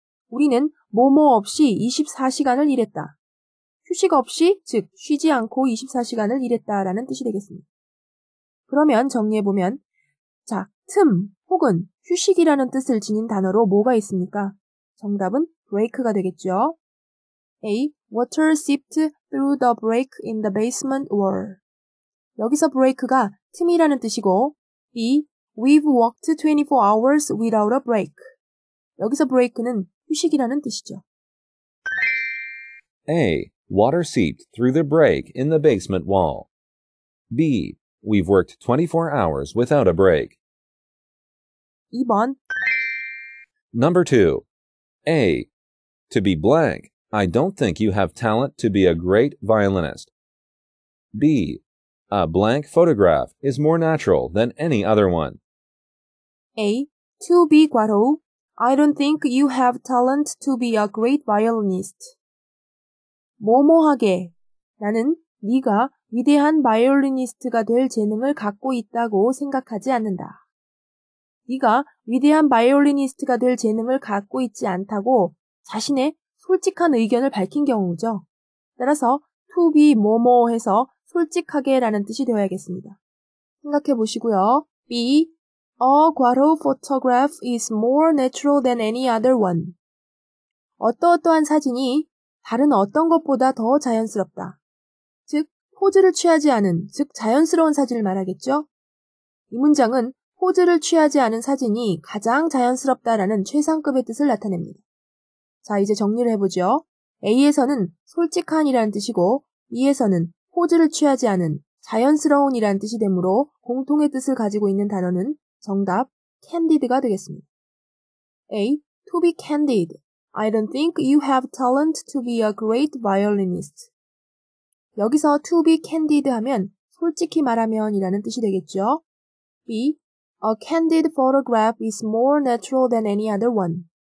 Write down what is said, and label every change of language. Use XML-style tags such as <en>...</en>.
<ko>우리는 뭐뭐 없이 24시간을 일했다. 휴식 없이, 즉 쉬지 않고 24시간을 일했다라는 뜻이 되겠습니다. 그러면 정리해보면, 자, 틈 혹은 휴식이라는 뜻을 지닌 단어로 뭐가 있습니까? 정답은 break가 되겠죠. A.</ko> <en>Water seeped through the break in the basement wall.</en> <ko>여기서 break가 틈이라는 뜻이고,</ko> <en>B. We've walked 24 hours without a break.</en> <ko>여기서 break는 휴식이라는 뜻이죠. A.</ko> <en>Water seeped through the break in the basement wall. B. We've worked 24 hours without a break.</en> <ko>2번</ko> <en>Number 2. A. To be blank, I don't think you have talent to be a great violinist. B. A blank photograph is more natural than any other one. A. To be 괄호, I don't think you have talent to be a great violinist.</en> <ko>뭐뭐하게, 나는 네가 위대한 바이올리니스트가 될 재능을 갖고 있다고 생각하지 않는다. 네가 위대한 바이올리니스트가 될 재능을 갖고 있지 않다고 자신의 솔직한 의견을 밝힌 경우죠. 따라서 to be 뭐뭐해서 솔직하게 라는 뜻이 되어야겠습니다. 생각해 보시고요. B.</ko> <en>A 괄호 photograph is more natural than any other one.</en> <ko>어떠어떠한 사진이 다른 어떤 것보다 더 자연스럽다. 즉, 포즈를 취하지 않은, 즉 자연스러운 사진을 말하겠죠? 이 문장은 포즈를 취하지 않은 사진이 가장 자연스럽다라는 최상급의 뜻을 나타냅니다. 자, 이제 정리를 해보죠. A에서는 솔직한이라는 뜻이고, B에서는 포즈를 취하지 않은 자연스러운이라는 뜻이 되므로 공통의 뜻을 가지고 있는 단어는 정답 candid가 되겠습니다.</ko> <en>A. To be candid. I don't think you have talent to be a great violinist.</en> <ko>여기서</ko> <en>to be candid</en> <ko>하면 솔직히 말하면이라는 뜻이 되겠죠. B.</ko> <en>A candid photograph is more natural than any other one.</en>